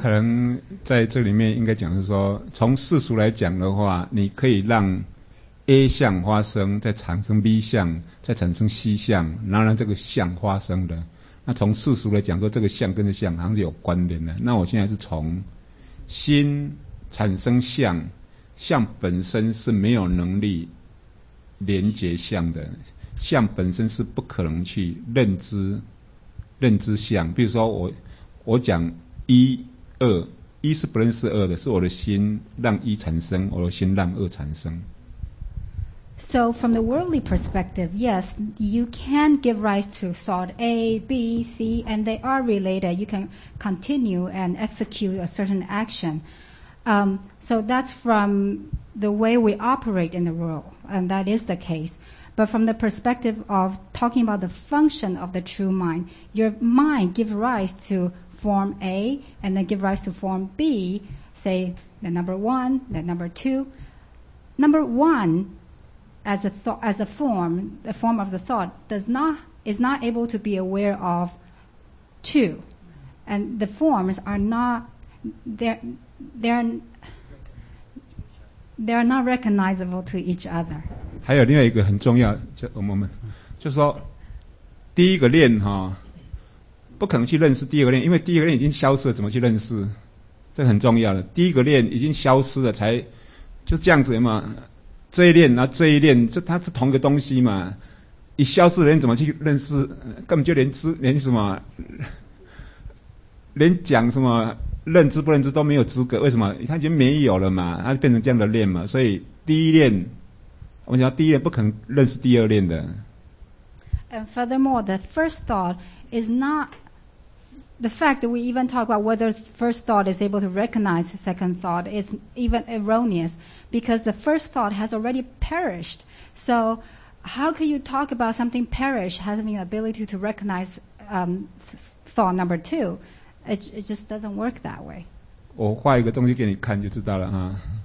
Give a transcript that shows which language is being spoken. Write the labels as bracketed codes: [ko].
[zh] 可能在这里面应该讲是说，从世俗来讲的话，你可以让 A 项发生，再产生 B 项，再产生 C 项，然后让这个项发生的，那从世俗来讲说这个项跟这项好像是有关联的，那我现在是从心产生项，项本身是没有能力连结相的，相本身是不可能去认知相。比如说我讲一二，一是不认识二的，是我的心让一产生，我的心让二产生。 [en] So from the worldly perspective, yes, you can give rise to thought A, B, C, and they are related. You can continue and execute a certain action. So that's from the way we operate in the world, and that is the case. But from the perspective of talking about the function of the true mind, your mind gives rise to form A, and then give rise to form B, say the number one, the number two. Number one, as a form of the thought, is not able to be aware of two. And the forms are not, they are not recognizable to each other. [zh] 还有另外一个很重要，就说第一个念哈，不可能去认识第二个念，因为第一个念已经消失了，怎么去认识？这很重要的。第一个念已经消失了，才就这样子嘛。这一念，然后这一念，这它是同一个东西嘛。一消失的念怎么去认识？根本就连什么，连讲什么认知不认知都没有资格，为什么？他已经没有了嘛，他变成这样的念嘛，所以第一念，我想第一念不可能认识第二念的。 [en] And furthermore, the first thought is not the fact that we even talk about whether the first thought is able to recognize the second thought is even erroneous because the first thought has already perished. So how can you talk about something perish having the ability to recognize thought number two? It just doesn't work that way. [zh] 我画一个东西给你看就知道了啊。